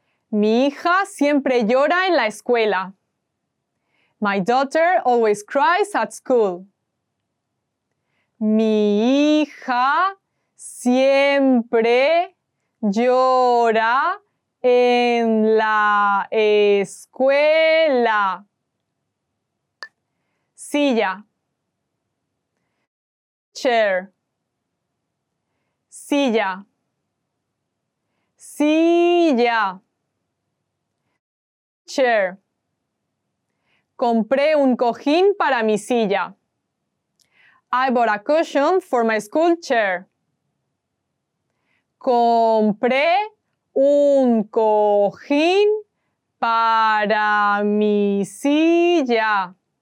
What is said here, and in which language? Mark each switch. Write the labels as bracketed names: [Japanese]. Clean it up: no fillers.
[Spanish] Mi hija siempre llora en la escuela. [English] My daughter always cries at school. [Spanish] Mi hija siempre llora en la escuela. Silla. [English] Chair. [Spanish] Silla. Silla. [English] Chair. [Spanish] Compré un cojín para mi silla. [English] I bought a cushion for my school chair. [Spanish] Compré un cojín para mi silla.